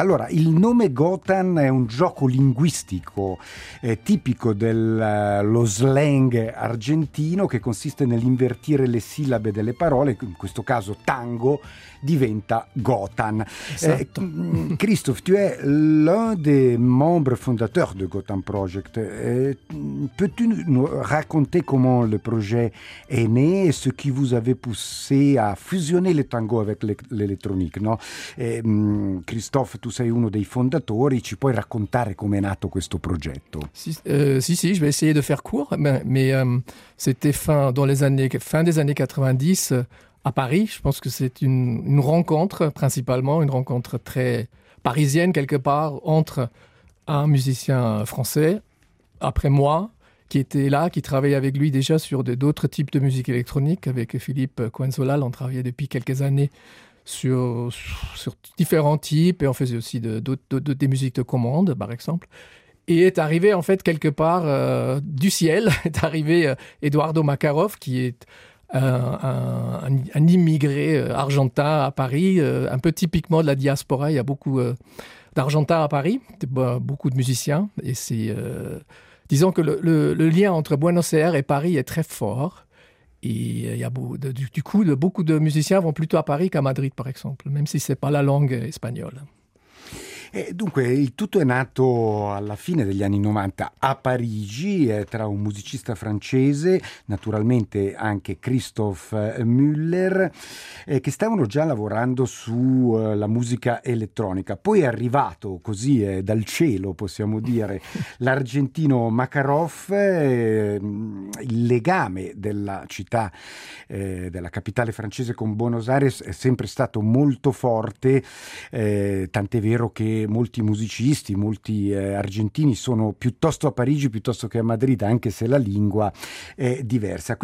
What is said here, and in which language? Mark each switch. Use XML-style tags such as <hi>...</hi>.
<it>Allora, il nome Gotham è un gioco linguistico tipico dello slang argentino, che consiste nell'invertire le sillabe delle parole. In questo caso tango diventa Gotham. Esatto.</it> <fr>Christoph, tu es l'un des membres fondateurs de Gotham Project. Peux-tu nous raconter comment le projet est né et ce qui vous avait poussé à fusionner le tango avec l'électronique, non?</fr> <it>Christoph, tu sei uno dei fondatori, ci puoi raccontare come è nato questo progetto?</it> <fr>Sì, je vais essayer de faire court, c'était fin des années 90 à Paris. Je pense que c'est une rencontre, principalement une rencontre très parisienne quelque part, entre un musicien français après moi qui était là, qui travaillait avec lui déjà sur d'autres types de musique électronique. Avec Philippe Coinsolal, on travaillait depuis quelques années sur différents types, et on faisait aussi d'autres des musiques de commande, par exemple. Et est arrivé, en fait, quelque part du ciel, est arrivé Eduardo Makarov, qui est un immigré argentin à Paris, un peu typiquement de la diaspora. Il y a beaucoup d'argentins à Paris, beaucoup de musiciens. Et c'est, disons que le lien entre Buenos Aires et Paris est très fort. Et il y a beaucoup de musiciens vont plutôt à Paris qu'à Madrid, par exemple, même si c'est pas la langue espagnole.</fr> <it>Dunque, il tutto è nato alla fine degli anni 90 a Parigi, tra un musicista francese, naturalmente anche Christophe Müller, che stavano già lavorando sulla musica elettronica. Poi è arrivato così dal cielo, possiamo dire, l'argentino Makarov, il legame della città, della capitale francese con Buenos Aires è sempre stato molto forte, tant'è vero che molti musicisti, molti argentini sono piuttosto a Parigi piuttosto che a Madrid, anche se la lingua è diversa.</it>